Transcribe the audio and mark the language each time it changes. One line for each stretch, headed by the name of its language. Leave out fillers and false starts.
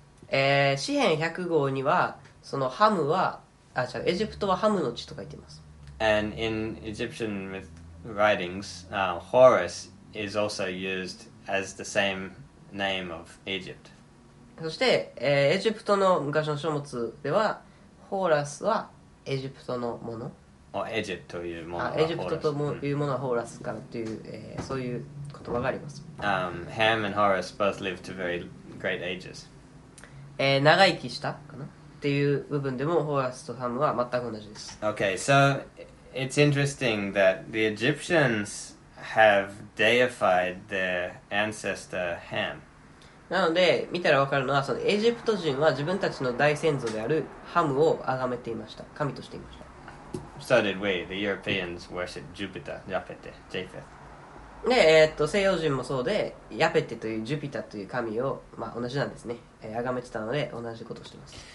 Japanese: 詩編100号にはそのハムは、あ、違う、エジプトはハムの地と書いています。
English: And in Egyptian mythwritings, Horus is also used as the same name of Egypt.
Japanese: そして、エジプトの昔の書物では、ホーラスはエジプトのもの。
English: Or Egypt
Japanese: というものはホーラス。エジプトというものはホーラスからという、そういう言葉があります。
English: Ham and Horus both lived to very great ages.
Japanese: 長生きしたかなっていう部分でも、ホーラスとハムは全く同じです。
English: Okay, so... It's interesting that the Egyptians have deified their ancestor Ham.
Japanese: なので見たら分かるのはそのエジプト人は自分たちの大先祖であるハムを崇めていました、神としていました。
English: So did we. The Europeans worship Jupiter, Japete, Japheth.
Japanese: で、西洋人もそうで、ヤペテというジュピタという神を、まあ、同じなんですね、崇めてたので同じことをしています。